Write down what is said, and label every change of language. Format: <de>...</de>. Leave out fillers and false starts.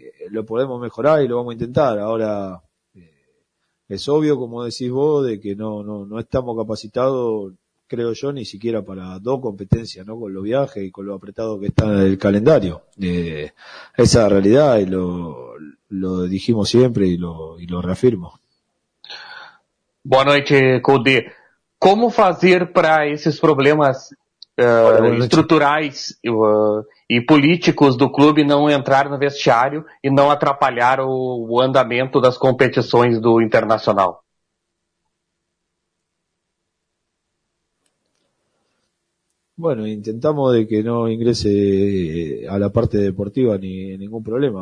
<es>lo podemos mejorar y lo vamos a intentar. Ahora, es obvio, como decís vos, de que no estamos capacitados, creo yo, ni siquiera para dos competencias, ¿no? Con los viajes y con lo apretado que está el calendario. Esa realidad, y lo dijimos siempre y lo reafirmo. Buenas noches, Cudi. ¿Cómo hacer para esos problemas</es> <pt>estruturais e políticos do clube não entrar no vestiário e não atrapalhar o andamento das competições do Internacional?</pt> <es>Bueno, intentamos de que no ingrese a la parte deportiva ni ningún problema.</es>